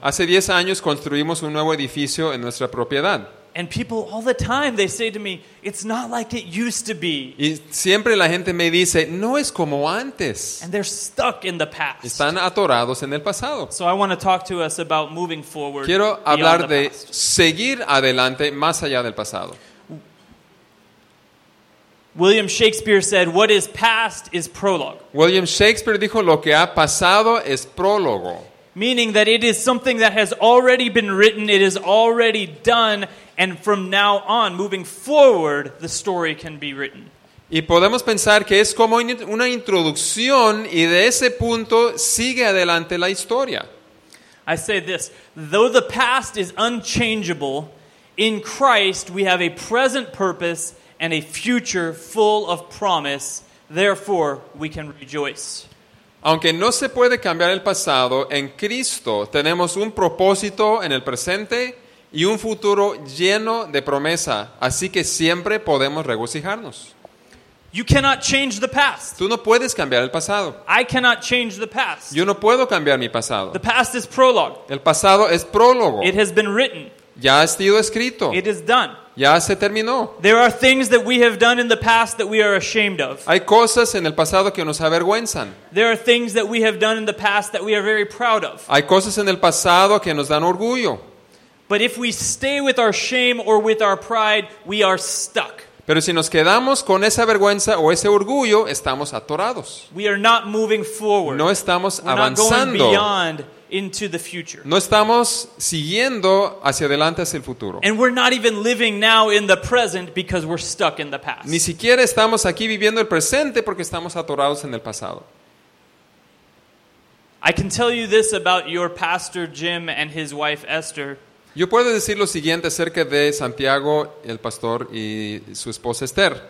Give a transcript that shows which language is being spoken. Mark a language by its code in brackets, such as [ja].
[es] Hace 10 años construimos un nuevo edificio en nuestra propiedad. [en] And people all the time they say to me, it's not like it used to be. [es] Y siempre la gente me dice, no es como antes. [en] And they're stuck in the past. [es] Están atorados en el pasado. [en] So I want to talk to us about moving forward. [es] Quiero hablar de seguir adelante más allá del pasado. [en] William Shakespeare said, what is past is prologue. [es] William Shakespeare dijo, lo que ha pasado es prólogo. [en] Meaning that it is something that has already been written, it is already done. And from now on, moving forward, the story can be written. [es] Y podemos pensar que es como una introducción y de ese punto sigue adelante la historia. [en] I say this, though the past is unchangeable, in Christ we have a present purpose and a future full of promise Therefore, we can rejoice. [es] Aunque no se puede cambiar el pasado, en Cristo tenemos un propósito en el presente y un futuro lleno de promesa, así que siempre podemos regocijarnos. [en] You cannot change the past. [es] Tú no puedes cambiar el pasado. [en] I cannot change the past. [es] Yo no puedo cambiar mi pasado. [en] The past is prologue. [es] El pasado es prólogo. [en] It has been written. [es] Ya ha sido escrito. [en] It is done. [es] Ya se terminó. [en] There are things that we have done in the past that we are ashamed of. [es] Hay cosas en el pasado que nos avergüenzan. [en] There are things that we have done in the past that we are very proud of. [es] Hay cosas en el pasado que nos dan orgullo. [en] But if we stay with our shame or with our pride, we are stuck. [es] Pero si nos quedamos con esa vergüenza o ese orgullo, estamos atorados. [en] We are not moving forward. [es] No estamos avanzando. [en] We're not going beyond into the future. [es] No estamos siguiendo hacia adelante hacia el futuro. [en] And we're not even living now in the present because we're stuck in the past. [es] Ni siquiera estamos aquí viviendo el presente porque estamos atorados en el pasado. [en] I can tell you this about your pastor Jim and his wife Esther. [es] Yo puedo decir lo siguiente acerca de Santiago, el pastor, y su esposa Esther.